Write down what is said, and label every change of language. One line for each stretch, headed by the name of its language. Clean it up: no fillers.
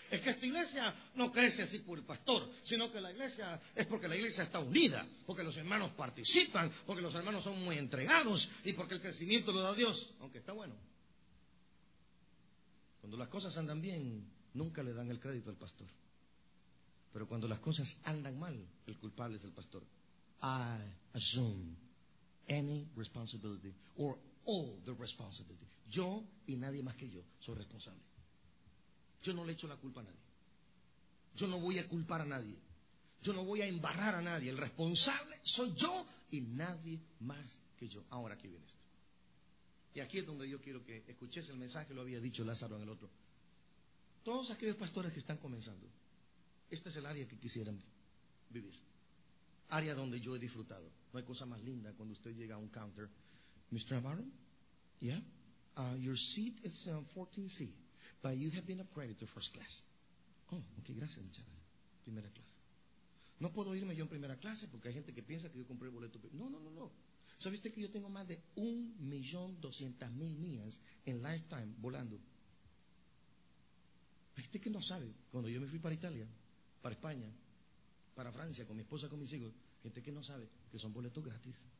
Spanish: Es que esta iglesia no crece así por el pastor, sino que la iglesia es porque la iglesia está unida, porque los hermanos participan, porque los hermanos son muy entregados y porque el crecimiento lo da Dios, aunque está bueno. Cuando las cosas andan bien, nunca le dan el crédito al pastor. Pero cuando las cosas andan mal, el culpable es el pastor.
English: I assume any responsibility or all the responsibility.
Spanish: Yo y nadie más que yo soy responsable. Yo no le echo la culpa a nadie. Yo no voy a culpar a nadie. Yo no voy a embarrar a nadie. El responsable soy yo y nadie más que yo. Ahora aquí viene esto. Y aquí es donde yo quiero que escuches el mensaje, lo había dicho Lázaro en el otro. Todos aquellos pastores que están comenzando, este es el área que quisieran vivir. Área donde yo he disfrutado. No hay cosa más linda cuando usted llega a un counter.
English: Mr. Amaro, yeah, your seat is 14C, but you have been upgraded to first class.
Spanish: Oh, ok, gracias, muchas gracias. Primera clase. No puedo irme yo en primera clase porque hay gente que piensa que yo compré el boleto. No. ¿Sabe usted que yo tengo más de 1,200,000 millas en lifetime volando? ¿Sabe usted que no sabe? Cuando yo me fui para Italia, para España, para Francia, con mi esposa, con mis hijos, gente que no sabe que son boletos gratis.